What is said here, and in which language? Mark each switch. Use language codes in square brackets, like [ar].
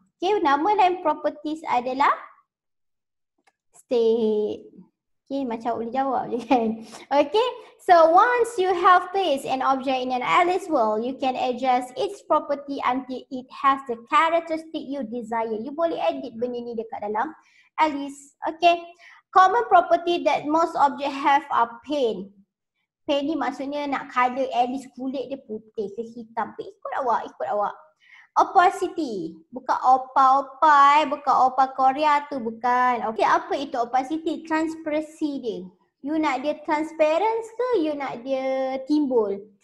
[ms] Okay, nama lain properties adalah state. Okay, macam boleh jawab je kan. [en] Okay, so once you have placed an object in an Alice world, you can adjust its property until it has the characteristic you desire. [ms] You boleh edit benda ni dekat dalam Alice. [en] Okay, common property that most object have are paint. [ms] Paint ni maksudnya nak colour Alice kulit dia putih ke hitam. Ikut awak, ikut awak. Opacity. Bukan opa-opa bukan opa Korea tu, bukan. Okay, apa itu opacity? Transparency dia. You nak dia transparent ke you nak dia timbul?